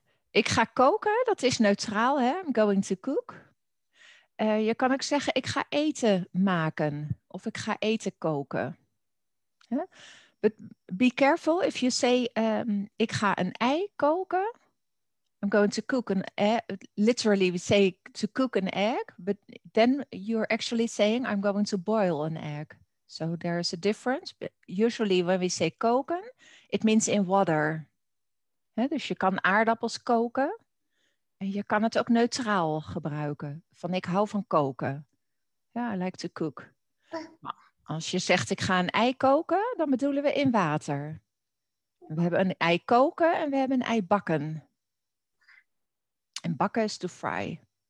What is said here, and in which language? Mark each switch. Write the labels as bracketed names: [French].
[Dutch] Ik ga koken, dat is neutraal. Hè? [English] I'm going to cook. [Dutch] Je kan ook zeggen, ik ga eten maken. Of ik ga eten koken. [English] But be careful if you say, [Dutch] ik ga een ei koken. [English] I'm going to cook an egg. Literally, we say to cook an egg, but then you're actually saying I'm going to boil an egg. So there is a difference. But usually when we say koken, it means in water. [Dutch] Yeah, dus je kan aardappels koken. En je kan het ook neutraal gebruiken. Van ik hou van koken. Ja, [English] yeah, I like to cook. [Dutch] Maar als je zegt ik ga een ei koken, dan bedoelen we in water. We hebben een ei koken en we hebben een ei bakken. En bakken is to fry.